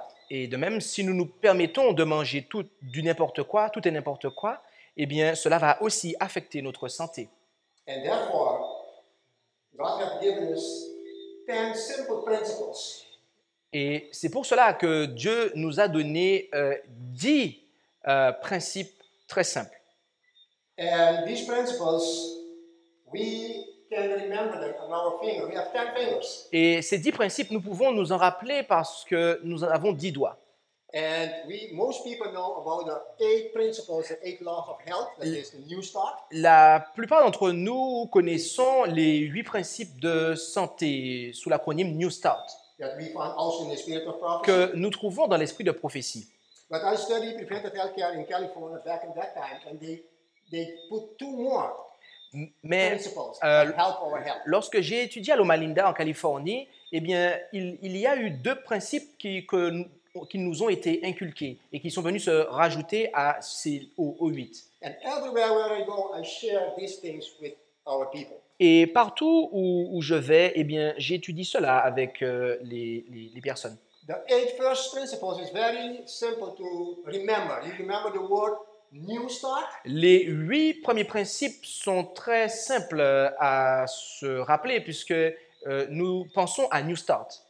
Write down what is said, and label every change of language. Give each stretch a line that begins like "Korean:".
French: Et de même, si nous permettons de manger tout et n'importe quoi, eh bien, cela va aussi affecter notre santé.
English: And therefore, God has given us 10 simple principles.
French: Et c'est pour cela que Dieu nous a donné 10 principes très simples.
English: And these principles, we can remember them on our finger. We have 10 fingers.
French: Et ces 10 principes, nous pouvons nous en rappeler parce que nous en avons 10 doigts.
English: And most people know about the 8 principles, the 8 laws of health, that is the New Start.
French: La plupart d'entre nous connaissons les 8 principes de santé sous l'acronyme New Start.
English: That we find also in the spirit of prophecy.
French: Que nous trouvons dans l'esprit de prophétie.
English: But I studied preventive healthcare in California back in that time, and they put two more.
French: Mais lorsque j'ai étudié à Loma Linda en Californie, eh bien, il y a eu deux principes qui nous ont été inculqués et qui sont venus se rajouter aux huit.
English: And everywhere where I go, I share these things with our people.
French: Et partout où je vais, eh bien, j'étudie cela avec les personnes.
English: The eight first principles is very simple to remember. You remember the word new start?
French: Les huit premiers principes sont très simples à se rappeler puisque nous pensons à new start.